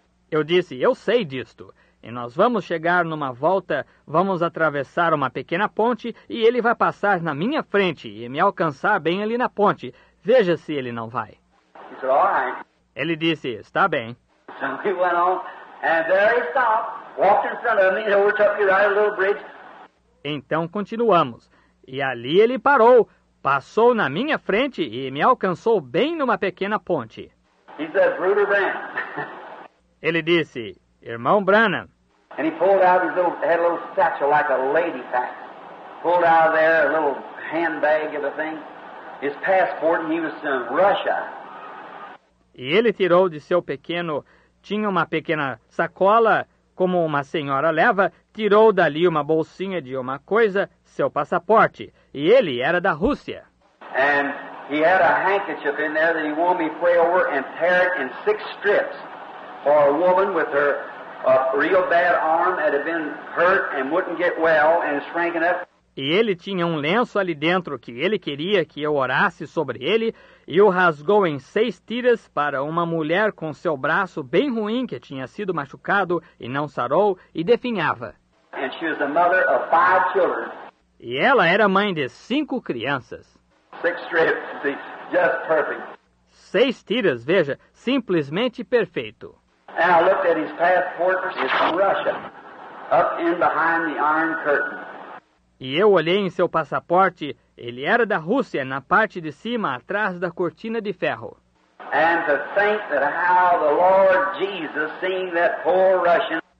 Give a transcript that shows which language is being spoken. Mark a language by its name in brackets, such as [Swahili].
[Portuguese] Eu disse, eu sei disto. E nós vamos chegar numa volta, vamos atravessar uma pequena ponte e ele vai passar na minha frente e me alcançar bem ali na ponte. Veja se ele não vai. [English] He said, all right. [Portuguese] Ele disse, está bem. [English] So we went on, and there he stopped, walked in front of me, and we're talking about a little bridge. [Portuguese] Então continuamos. E ali ele parou, passou na minha frente e me alcançou bem numa pequena ponte. [English] He said, Bruder Branham. [Portuguese] Ele disse, Irmão Branham. [English] And he pulled out his little, had a little satchel like a lady pack. Pulled out of there, a little handbag of a thing. His passport, and he was in Russia. [Portuguese] E ele tirou de seu pequeno, tinha uma pequena sacola, como uma senhora leva, tirou dali uma bolsinha de uma coisa, seu passaporte. E ele era da Rússia. [English] And he had a handkerchief in there that he wanted me to pray over and tear it in six strips. For a woman with her real bad arm that had been hurt and wouldn't get well and shrank enough. [Portuguese] E ele tinha um lenço ali dentro que ele queria que eu orasse sobre ele e o rasgou em seis tiras para uma mulher com seu braço bem ruim que tinha sido machucado e não sarou e definhava. [English] And she was the mother of five children. [Portuguese] E ela era mãe de cinco crianças. [English] Six strips, see, just perfect. [Portuguese] Seis tiras, veja, simplesmente perfeito. [English] And I looked at his passport, it's from Russia, up in behind the iron curtain. [Portuguese] E eu olhei em seu passaporte, ele era da Rússia, na parte de cima, atrás da cortina de ferro. [English] And to think that how the Lord Jesus seeing that poor Russian.